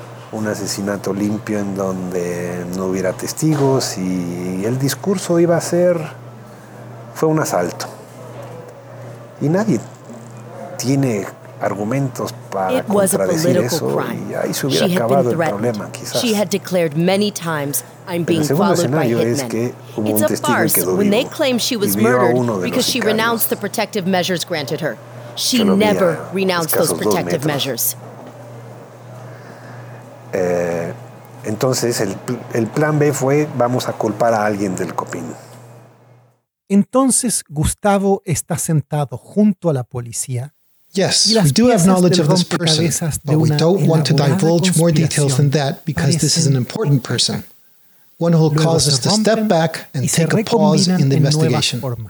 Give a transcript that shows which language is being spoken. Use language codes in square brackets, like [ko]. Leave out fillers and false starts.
[es] Un asesinato limpio en donde no hubiera testigos y el discurso iba a ser, fue un asalto. Y nadie tiene argumentos para contradecir eso y ahí se hubiera acabado el problema, quizás. [en] She had declared many times, I'm being followed by hitmen. [es] Es que hubo un testigo que quedó vivo. [en] When they claim she was murdered because she renounced the protective measures granted her, she never renounced those protective measures. [es] Entonces el plan B fue, vamos a culpar a alguien del copín. Entonces Gustavo está sentado junto a la policía. [en] Yes, we do have knowledge of this person, but we don't want to divulge more details than that because this is an important person, one who will cause us to step back and take a pause in the investigation.